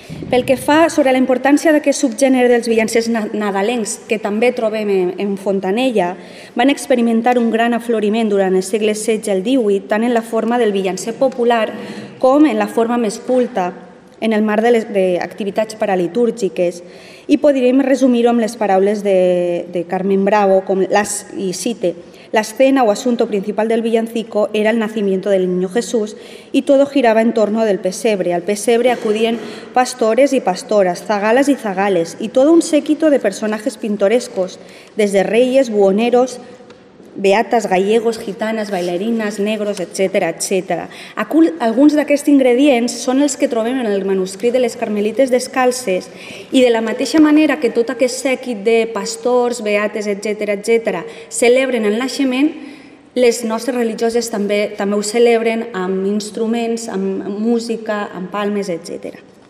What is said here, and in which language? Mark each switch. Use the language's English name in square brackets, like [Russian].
[Catalan] Pel que fa sobre la importància d'aquest subgènere dels villancers nadalencs, que també trobem en Fontanella, van experimentar un gran afloriment durant el segle XVI i el XVIII, tant en la forma del villancer popular com en la forma més culta, en el marc d'activitats paralitúrgiques. I podríem resumir-ho amb les paraules de Carmen Bravo, com las i cite. [Spanish] La escena o asunto principal del villancico era el nacimiento del niño Jesús y todo giraba en torno del pesebre. Al pesebre acudían pastores y pastoras, zagalas y zagales y todo un séquito de personajes pintorescos, desde reyes, buhoneros, beatas, gallegos, gitanas, bailarinas, negros, etcétera, etcétera. [Catalan] Alguns d'aquests ingredients són els que trobem en el manuscrit de les Carmelites Descalces i de la mateixa manera que tot aquest sèquit de pastors, beates, etcétera, etcétera, celebren el naixement, les nostres religioses també ho celebren amb instruments, amb música, amb palmes, etcétera.